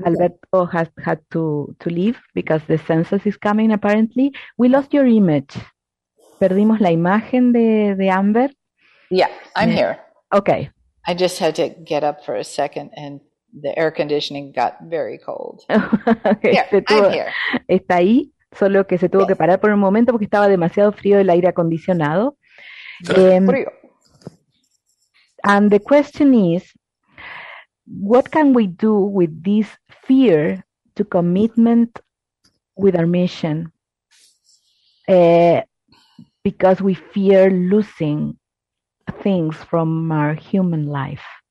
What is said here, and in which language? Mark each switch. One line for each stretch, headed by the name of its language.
English: Alberto has had to leave because the census is coming apparently. We lost your image.
Spanish: Perdimos la imagen de Amber.
English: Yeah, I'm here. Okay. I just had to get up for a second and the air conditioning got very cold. Okay, here, I'm here.
Spanish: Está ahí, solo que se tuvo que parar por un momento porque estaba demasiado frío el aire acondicionado. Frío.
English: And the question is, what can we do with this fear to commitment with our mission? Because we fear losing things from our human life.